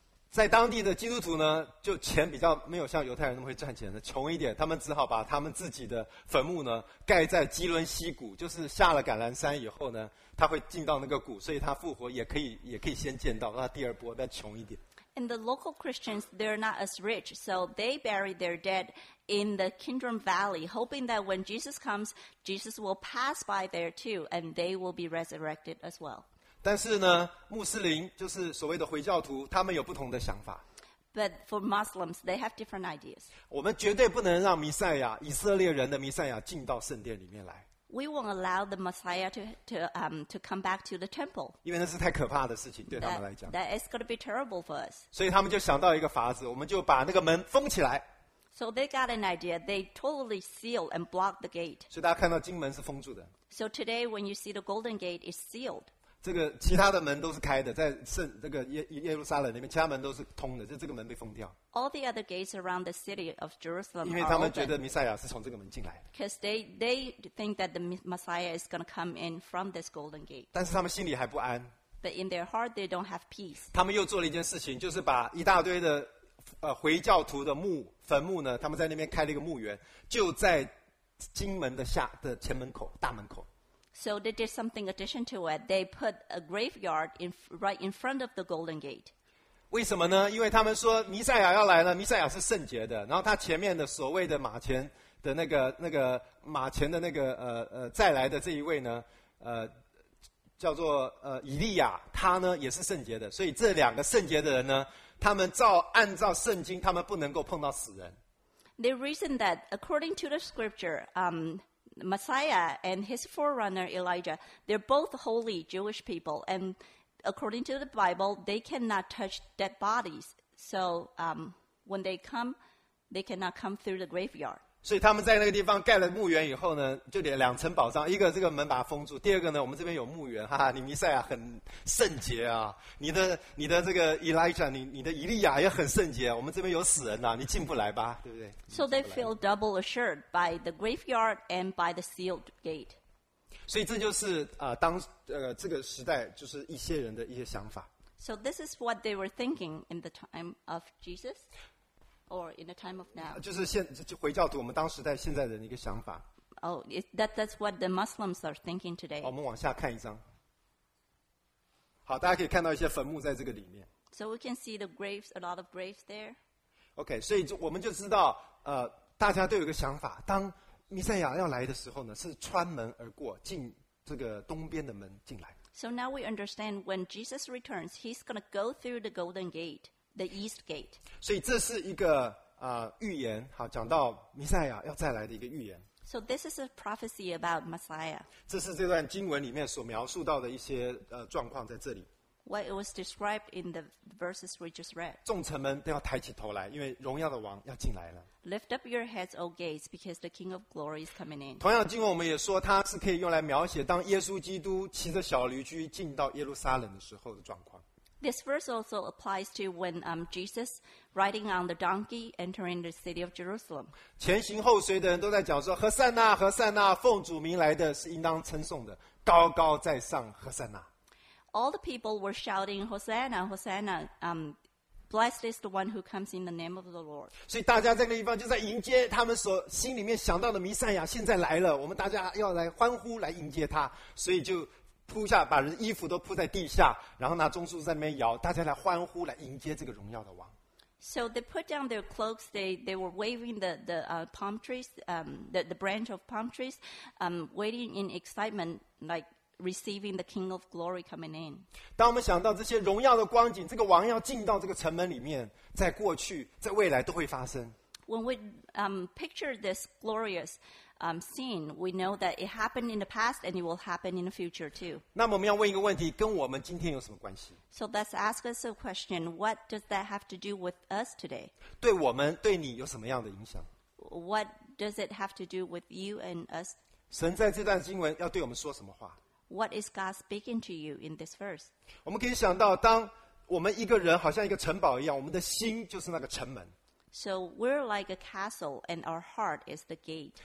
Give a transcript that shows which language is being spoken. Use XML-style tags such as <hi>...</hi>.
<zh>在当地的基督徒呢，就钱比较没有像犹太人那么会赚钱的，穷一点，他们只好把他们自己的坟墓呢盖在基伦溪谷，就是下了橄榄山以后呢，他会进到那个谷，所以他复活也可以先见到，那第二波再穷一点。</zh> <en>And the local Christians, they're not as rich, so they bury their dead in the Kindrum Valley, hoping that when Jesus comes, Jesus will pass by there too, and they will be resurrected as well.</en> <zh>但是呢，穆斯林就是所谓的回教徒，他们有不同的想法。</zh> <en>But for Muslims, they have different ideas.</en> <zh>我们绝对不能让弥赛亚，以色列人的弥赛亚进到圣殿里面来。</zh> <en>We won't allow the Messiah to come back to the temple.</en> <zh>因为那是太可怕的事情，对他们来讲。</zh> <en>That is going to be terrible for us.</en> <zh>所以他们就想到一个法子，我们就把那个门封起来。</zh> <en>So they got an idea. They totally seal and block the gate.</en> <zh>所以大家看到金门是封住的。</zh> <en>So today, when you see the Golden Gate, it's sealed.</en> <zh>这个其他的门都是开的，在圣这个耶路撒冷那边，其他门都是通的，就这个门被封掉。</zh> <en>All the other gates around the city of Jerusalem.</en> <zh>因为他们觉得弥赛亚是从这个门进来的。</zh> <en>Because they think that the Messiah is going to come in from this Golden Gate.</en> <zh>但是他们心里还不安。</zh> <en>But in their heart, they don't have peace.</en> <zh>他们又做了一件事情，就是把一大堆的回教徒的墓坟墓呢，他们在那边开了一个墓园，就在金门的下的前门口大门口。</zh> <en>So they did something addition to it. They put a graveyard right in front of the Golden Gate.</en> <zh>为什么呢？因为他们说弥赛亚要来了，弥赛亚是圣洁的。然后他前面的所谓的马前的那个马前的那个再来的这一位呢，叫做以利亚，他呢也是圣洁的。所以这两个圣洁的人呢，他们按照圣经，他们不能够碰到死人。</zh> <en>The reason that according to the scripture, Messiah and his forerunner Elijah, they're both holy Jewish people, and according to the Bible, they cannot touch dead bodies. So when they come, they cannot come through the graveyard.</en> <zh>所以他们在那个地方盖了墓园以后呢，就得两层保障：一个这个门把它封住；第二个呢，我们这边有墓园，哈哈，你弥赛亚很圣洁啊，你的这个 Elijah， 你的以利亚也很圣洁，我们这边有死人呐、啊，你进不来吧，对不对</zh> <en>？So they feel double assured by the graveyard and by the sealed gate.</en> <zh>所以这就是这个时代就是一些人的一些想法。</zh> <en>So this is what they were thinking in the time of Jesus. Or in the time of now.</en> <zh>就是现就回教徒我们当时在现在的一个想法。</zh> <en>That's what the Muslims are thinking today.</en> <zh>我们往下看一张。好，大家可以看到一些坟墓在这个里面。</zh> <en>So we can see the graves, a lot of graves there.</en> <zh>Okay, 所以我们就知道，大家都有一个想法，当弥赛亚要来的时候呢，是穿门而过，进这个东边的门进来。</zh> <en>So now we understand when Jesus returns, he's going to go through the Golden Gate. The East Gate.</en> <zh>所以这是一个预言，好，讲到弥赛亚要再来的一个预言。</zh> <en>So this is a prophecy about Messiah.</en> <zh>这是这段经文里面所描述到的一些状况在这里。</zh> <en>What it was described in the verses we just read.</en> <zh>众臣们都要抬起头来，因为荣耀的王要进来了。</zh> <en>Lift up your heads, O gates, because the King of Glory is coming in.</en> <zh>同样经文我们也说，它是可以用来描写当耶稣基督骑着小驴驹进到耶路撒冷的时候的状况。</zh> <en>This verse also applies to when Jesus riding on the donkey entering the city of Jerusalem.</en> <zh>前行后随的人都在讲说：“何塞纳，何塞纳，奉主名来的是应当称颂的，高高在上，何塞纳。”</zh> <en>All the people were shouting, "Hosanna, Hosanna!" Blessed is the one who comes in the name of the Lord.</en> <zh>所以大家在那个地方就在迎接他们所心里面想到的弥赛亚，现在来了，我们大家要来欢呼来迎接他，所以就。铺下把人衣服都铺在地下，然后拿中枢在那边摇，大家来欢呼，来迎接这个荣耀的王。</zh> <en>So they put down their cloaks. They were waving the branch of palm trees, waiting in excitement, like receiving the King of Glory coming in.</en> <zh>当我们想到这些荣耀的光景，这个王要进到这个城门里面，在过去，在未来都会发生。</zh> <en>When we picture this glorious scene, we know that it happened in the past and it will happen in the future too.</en> <zh>那么我们要问一个问题，跟我们今天有什么关系？</zh> <en>So let's ask us a question. What does that have to do with us today?</en> <zh>对我们，对你有什么样的影响？</zh> <en>What does it have to do with you and us?</en> <zh>神在这段经文要对我们说什么话？</zh> <en>What is God speaking to you in this verse?</en> <zh>我们可以想到，当我们一个人好像一个城堡一样，我们的心就是那个城门。</zh> <en>So we're like a castle, and our heart is the gate.</en>